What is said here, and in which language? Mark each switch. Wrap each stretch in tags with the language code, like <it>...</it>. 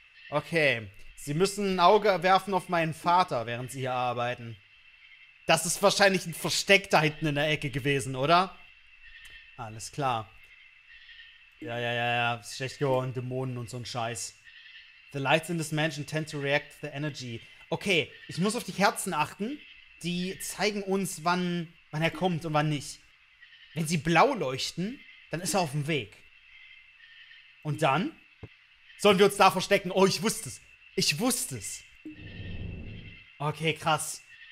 <de>Okay, Sie müssen ein Auge werfen auf meinen Vater, während Sie hier arbeiten. Das ist wahrscheinlich ein Versteck da hinten in der Ecke gewesen, oder? Alles klar. Ja, schlecht geworden, Dämonen und so ein Scheiß.</de> <en>The lights in this mansion tend to react the energy.</en> <de>Okay, ich muss auf die Kerzen achten. Die zeigen uns, wann er kommt und wann nicht. Wenn sie blau leuchten, dann ist er auf dem Weg. Und dann? Sollen wir uns da verstecken? Oh, ich wusste es. Ich wusste es. Okay, krass.</de>